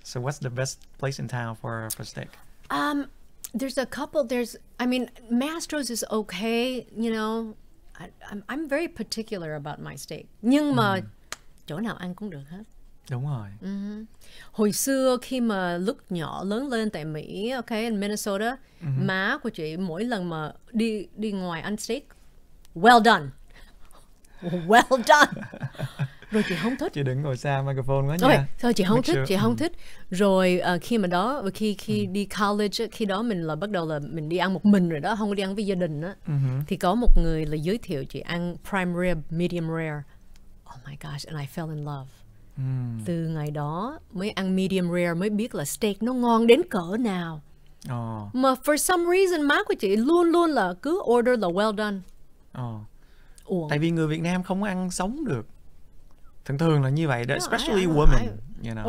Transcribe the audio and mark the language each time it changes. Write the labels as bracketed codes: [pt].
[en] So what's the best place in town for steak? There's a couple. There's, I mean, Mastro's is okay, you know. I'm very particular about my steak. [vi] Nhưng mà chỗ nào ăn cũng được hết. Đúng rồi. Hồi xưa khi mà lúc nhỏ lớn lên tại Mỹ, okay, in Minnesota, má của chị mỗi lần mà đi ngoài ăn steak, well done. [en] Well done. [vi] Rồi chị không thích. Chị đừng ngồi xa microphone quá nha. Thôi chị không thích, chị không thích. Rồi khi mà đó, khi đi college, khi đó mình là bắt đầu là mình đi ăn một mình rồi đó, không có đi ăn với gia đình á. Thì có một người là giới thiệu chị ăn prime rib, medium rare. [en] Oh my gosh, and I fell in love. [vi] Từ ngày đó mới ăn medium rare mới biết là steak nó ngon đến cỡ nào. Mà [en] for some reason [vi] má của chị luôn luôn là cứ order là well done. Ủa? Tại vì người Việt Nam không ăn sống được. Thường thường là như vậy, [en] no, especially women, you know.